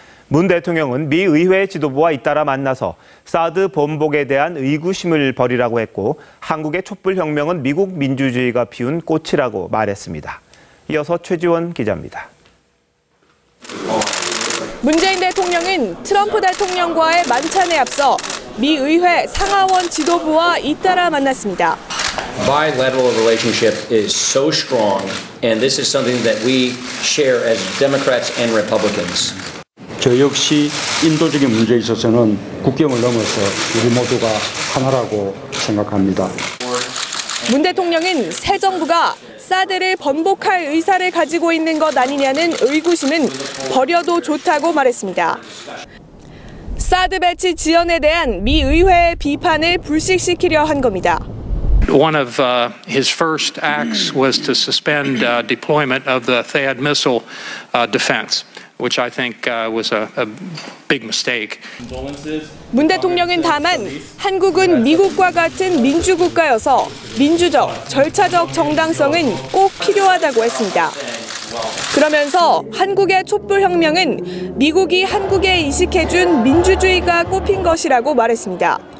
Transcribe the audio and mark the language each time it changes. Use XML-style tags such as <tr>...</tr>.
<ko>문 대통령은 미 의회 지도부와 잇따라 만나서 사드 본복에 대한 의구심을 버리라고 했고 한국의 촛불혁명은 미국 민주주의가 피운 꽃이라고 말했습니다. 이어서 최지원 기자입니다. 문재인 대통령은 트럼프 대통령과의 만찬에 앞서 미 의회 상하원 지도부와 잇따라 만났습니다.</ko> <en>bilateral relationship is so strong, and this is something that we share as Democrats and Republicans.</en> <ko>저 역시 인도적인 문제에 있어서는 국경을 넘어서 우리 모두가 하나라고 생각합니다. 문 대통령은 새 정부가 사드를 번복할 의사를 가지고 있는 것 아니냐는 의구심은 버려도 좋다고 말했습니다. 사드 배치 지연에 대한 미 의회의 비판을 불식시키려 한 겁니다.</ko> <en>One of his first acts was to suspend deployment of the THAAD missile defense, which I think was a big mistake.</en> <ko>문 대통령은 다만 한국은 미국과 같은 민주국가여서 민주적, 절차적 정당성은 꼭 필요하다고 했습니다. 그러면서 한국의 촛불혁명은 미국이 한국에 인식해준 민주주의가 꼽힌 것이라고 말했습니다.</ko>